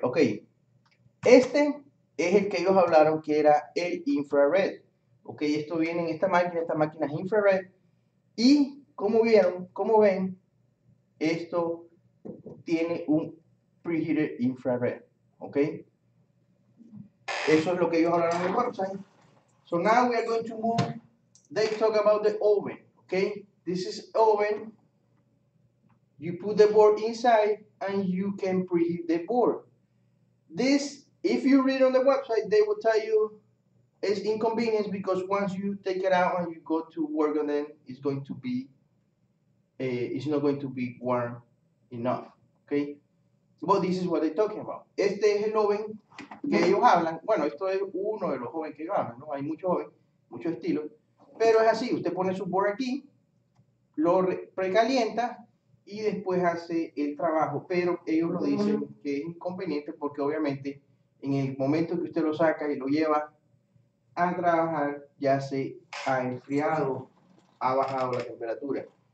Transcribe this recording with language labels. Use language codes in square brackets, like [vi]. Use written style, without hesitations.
[es] Okay, este es el que ellos hablaron que era el infrared. Okay, esto viene en esta máquina es infrared. Y como vieron, como ven, esto tiene un preheater infrared, okay? Eso es lo que ellos hablaron en el website. [en] So now we are going to move, they talk about the oven, okay? This is oven, you put the board inside and you can preheat the board. This, if you read on the website, they will tell you it's inconvenient because once you take it out and you go to work on it, it's going to be, it's not going to be warm enough, okay? But this is what they're talking about. [es] Este es el joven que ellos hablan. Bueno, esto es uno de los jóvenes que ellos hablan, ¿no? Hay muchos jóvenes, muchos estilos. Pero es así, usted pone su board aquí, lo precalienta y después hace el trabajo. Pero ellos lo dicen que es inconveniente porque obviamente en el momento que usted lo saca y lo lleva a trabajar, ya se ha enfriado, ha bajado la temperatura.